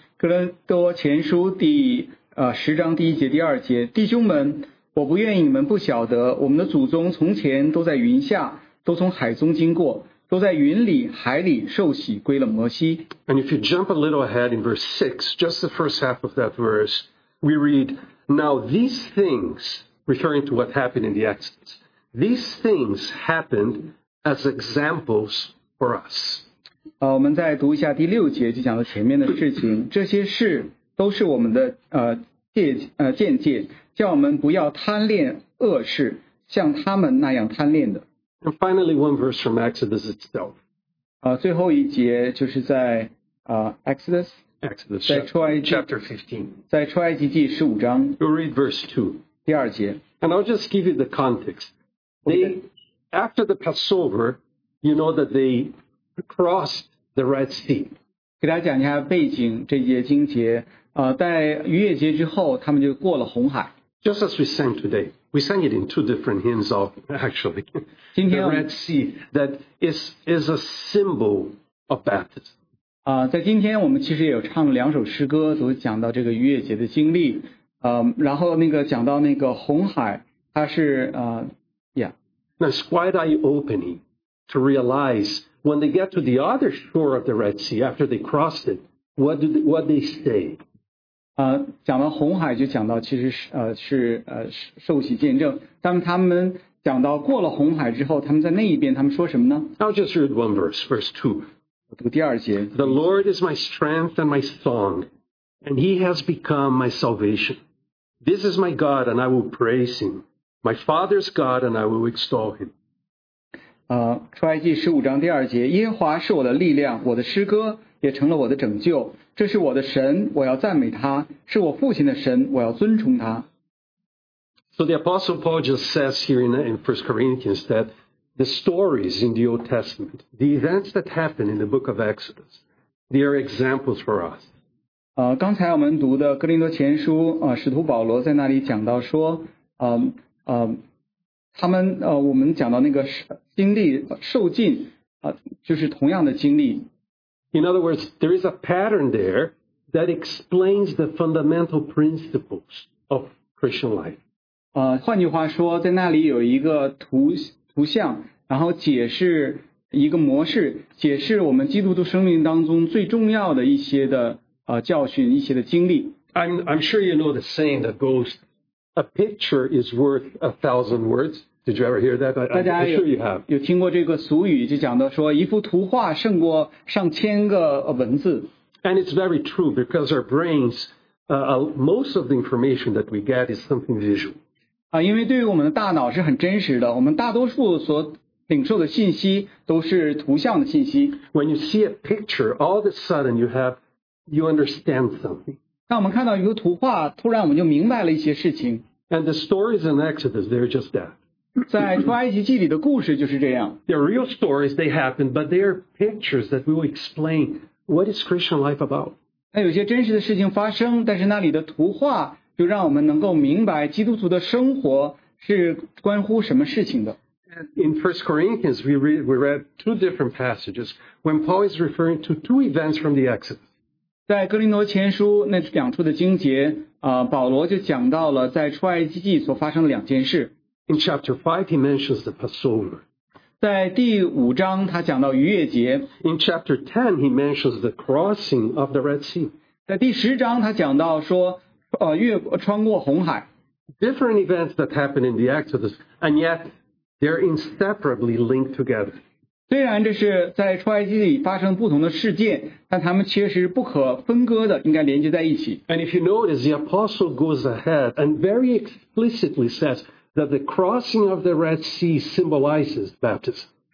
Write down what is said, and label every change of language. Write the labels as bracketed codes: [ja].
[zh] 哥林多前书第十章第一节第二节，弟兄们，我不愿意你们不晓得，我们的祖宗从前都在云下，都从海中经过，都在云里海里受洗归了摩西。 [en] And if you jump a little ahead in verse 6, just the first half of that verse, we read, Now these things, referring to what happened in the Exodus, these things happened as examples for us. [zh] 我们再读一下第六节，就讲了前面的事情，这些事都是我们的见解，叫我们不要贪恋恶事，像他们那样贪恋的。 [en] And finally, one verse from Exodus itself. [zh] 最后一节就是在Exodus. [en] Exodus, [zh] 在出埃及, [en] chapter 15. [zh] 在出埃及记十五章. [en] You'll read verse 2. [zh] 第二节. [en] And I'll just give you the context. They, after the Passover, you know that they crossed the Red Sea. [zh] 给大家讲一下背景这节经节。在逾越节之后，他们就过了红海。 [en] Just as we sang today. We sang it in two different hymns, actually. The Red Sea, that is a symbol of baptism. [zh] 在今天我们其实也有唱两首诗歌，都讲到这个逾越节的经历。然后那个讲到那个红海，它是 [en] Now it's quite eye-opening to realize when they get to the other shore of the Red Sea after they crossed it, what they say. [zh] 讲到红海就讲到其实是受洗见证，但他们讲到过了红海之后，他们在那一边他们说什么呢？ [en] I'll just read one verse, verse 2. [zh] 我读第二节。 [en] The Lord is my strength and my song, and he has become my salvation. This is my God, and I will praise him. My father's God, and I will extol him. [zh] 出埃及十五章第二节，耶和华是我的力量，我的诗歌也成了我的拯救，这是我的神，我要赞美他，是我父亲的神，我要尊崇他。 [en] So the Apostle Paul just says here in 1 Corinthians that the stories in the Old Testament, the events that happen in the book of Exodus, they are examples for us. [zh] 刚才我们读的哥林多前书，使徒保罗在那里讲到说，他们我们讲到那个经历受尽，就是同样的经历。 [en] In other words, there is a pattern there that explains the fundamental principles of Christian life. [zh] 换句话说，在那里有一个图像，然后解释一个模式，解释我们基督徒生命当中最重要的一些的教训，一些的经历。 [en] I'm sure you know the saying that goes, "A picture is worth a thousand words." Did you ever hear that? I'm sure you have. [zh] 有听过这个俗语，就讲到说一幅图画胜过上千个文字。 [en] And it's very true because our brains, most of the information that we get is something visual. [zh] 因为对于我们的大脑是很真实的，我们大多数所领受的信息都是图像的信息。 [en] When you see a picture, all of a sudden you understand something. [zh] 当我们看到一个图画，突然我们就明白了一些事情。 [en] And the stories in Exodus, they're just that. [zh] 在出埃及记里的故事就是这样。 [en] They are real stories, they happen, but they are pictures that will explain what is Christian life about. [zh] 那有些真实的事情发生，但是那里的图画就让我们能够明白基督徒的生活是关乎什么事情的。 [en] In 1 Corinthians, we read two different passages when Paul is referring to two events from the Exodus. [zh] 在哥林多前书那两处的经节，保罗就讲到了在出埃及记所发生的两件事。 [en] In chapter 5, he mentions the Passover. [zh] 在第五章他讲到逾越节。 [en] In chapter 10, he mentions the crossing of the Red Sea. [zh] 在第十章他讲到说穿过红海。 [en] Different events that happened in the Exodus, and yet they're inseparably linked together. [zh] 虽然这是在出埃及里发生不同的事件，但他们确实不可分割的应该连接在一起。 [en] And if you notice, the apostle goes ahead and very explicitly says that the crossing of the Red Sea symbolizes baptism.